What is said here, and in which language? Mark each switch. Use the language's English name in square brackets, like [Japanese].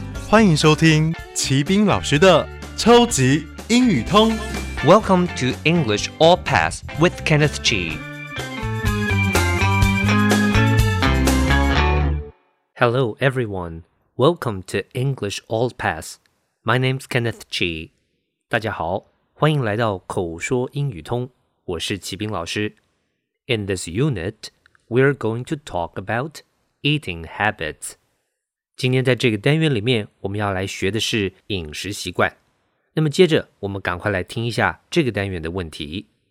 [Chinese] 欢迎收听齐宾老师的超级英语通。 [English] Welcome to English All Pass with Kenneth G. Hello, everyone. Welcome to English All Pass. My name's Kenneth G. [Chinese] 大家好，欢迎来到口说英语通。我是齐宾老师。 [English] In this unit, we're going to talk about eating habits. [Chinese] 今天在这个单元里面，我们要来学的是饮食习惯。那么接着，我们赶快来听一下这个单元的问题。